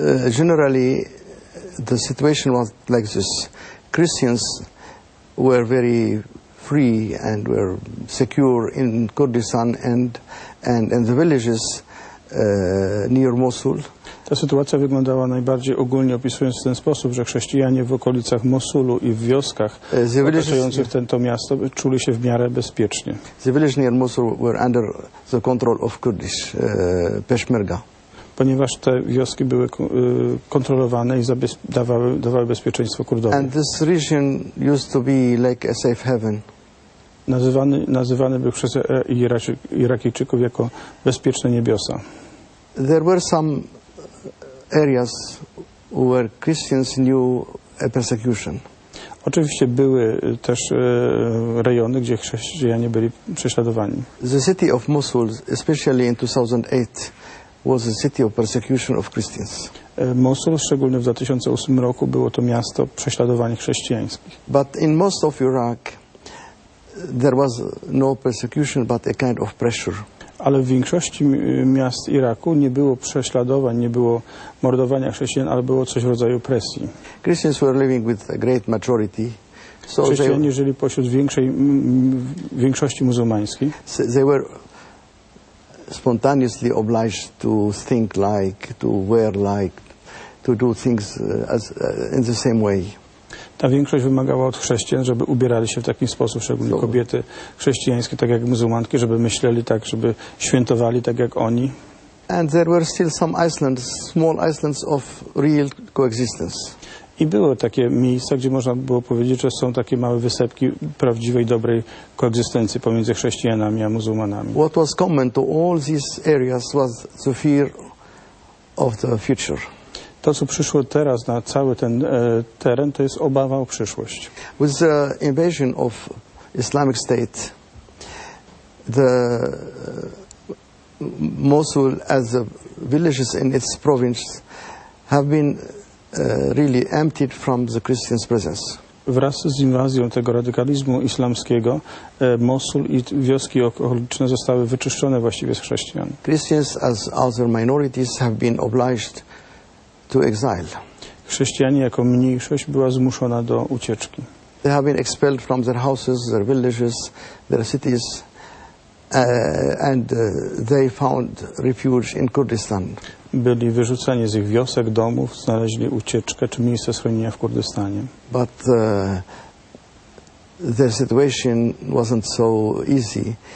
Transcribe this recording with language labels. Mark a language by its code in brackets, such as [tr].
[en] Generally the situation was like this. Christians were very free and were secure in Kurdistan and the villages near Mosul. [pl] Ta sytuacja wyglądała najbardziej ogólnie opisując w ten sposób, że chrześcijanie w okolicach Mosulu i w wioskach otaczających to miasto czuli się w miarę bezpiecznie. [en] The villages near Mosul were under the control of Kurdish Peshmerga. [pl] Ponieważ te wioski były kontrolowane i dawały bezpieczeństwo Kurdom. [en] And this region used to be like a safe haven. [pl] Nazywany był przez Irakijczyków jako bezpieczne niebiosa. [en] There were some areas where Christians knew a persecution. [pl] Oczywiście były też rejony, gdzie chrześcijanie byli prześladowani. [en] The city of Mosul, especially in 2008, was a city of persecution of Christians. [pl] Mosul, szczególnie w 2008 roku, było to miasto prześladowań chrześcijańskich. [en] But in most of Iraq there was no persecution, but a kind of pressure. [pl] Ale w większości miast Iraku nie było prześladowań, nie było mordowania chrześcijan, ale było coś w rodzaju presji. [en] Christians were living with a great majority. [pl] So chrześcijanie żyli pośród większości muzułmańskiej. [en] They were spontaneously obliged to think like, to wear like, to do things in the same way. [pl] Ta większość wymagała od chrześcijan, żeby ubierali się w taki sposób, szczególnie kobiety chrześcijańskie, tak jak muzułmanki, żeby myśleli tak, żeby świętowali tak jak oni. [en] And there were still some islands, small islands of real coexistence. [pl] I były takie miejsca, gdzie można było powiedzieć, że są takie małe wysepki prawdziwej, dobrej koegzystencji pomiędzy chrześcijanami a muzułmanami. [en] What was common to all these areas was the fear of the future. [pl] To, co przyszło teraz na cały ten teren, to jest obawa o przyszłość. [en] With the invasion of Islamic State, the Mosul as the villages in its province have been really emptied from the Christian's presence. [pl] Wraz z inwazją tego radykalizmu islamskiego, Mosul i wioski okoliczne zostały wyczyszczone właściwie z chrześcijan. [en] Christians as other minorities have been obliged to exile. [pl] Chrześcijanie jako mniejszość była zmuszona do ucieczki. [en] They have been expelled from their houses, their villages, their cities, And they found refuge in Kurdistan. [pl] Byli wyrzucani z ich wiosek, domów, znaleźli ucieczkę czy miejsce schronienia w Kurdystanie. [en] But their situation wasn't so easy.